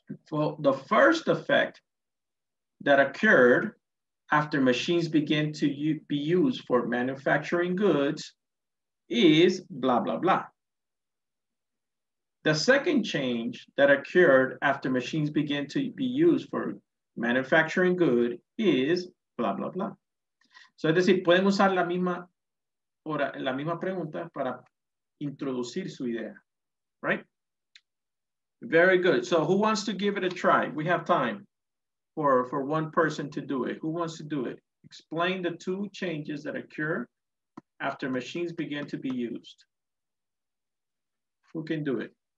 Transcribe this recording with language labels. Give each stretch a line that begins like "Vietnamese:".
English: Well, the first effect that occurred after machines begin to be used for manufacturing goods is blah, blah, blah. The second change that occurred after machines began to be used for manufacturing good is blah, blah, blah.
Spanish: So es decir, pueden usar la misma pregunta para introducir su idea, right?
English: Very good. So who wants to give it a try? We have time for one person to do it. Who wants to do it? Explain the two changes that occur after machines begin to be used. Who can do it?